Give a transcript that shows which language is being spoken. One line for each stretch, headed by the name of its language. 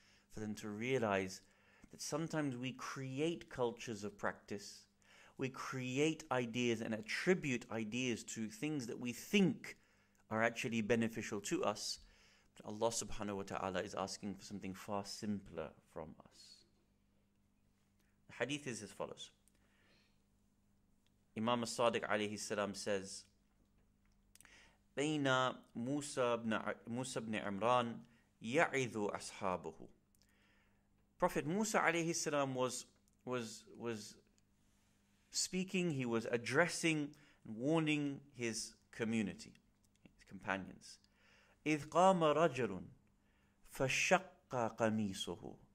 English: for them to realize that sometimes we create cultures of practice, we create ideas and attribute ideas to things that we think are actually beneficial to us, but Allah subhanahu wa ta'ala is asking for something far simpler from us. The hadith is as follows. Imam al-Sadiq alayhi salam says,
Arabic: بين موسى بن عمران يعظ أصحابه.
English: Prophet Musa
Arabic: عليه السلام
English: was speaking. He was addressing and warning his community, his companions.
Arabic: إذ قام رجل فشق قميصه.